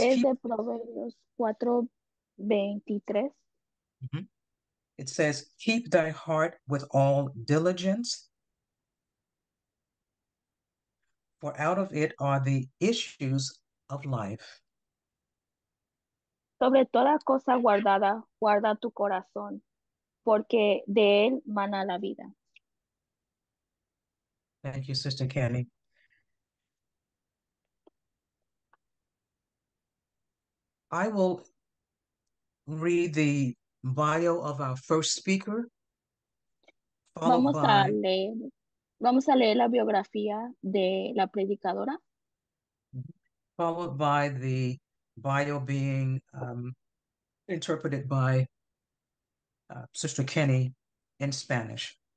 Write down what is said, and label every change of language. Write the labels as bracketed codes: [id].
[es] es de Proverbios 4:23. [en] It says, keep thy heart with all diligence, for out of it are the issues of life. [es] Sobre toda cosa guardada, guarda tu corazón, porque de él mana la vida. [en] Thank you, Sister Kenny. I will read the bio of our first speaker, [es] vamos a leer la biografía de la predicadora. [en] Followed by the bio being interpreted by Sister Kenny in Spanish.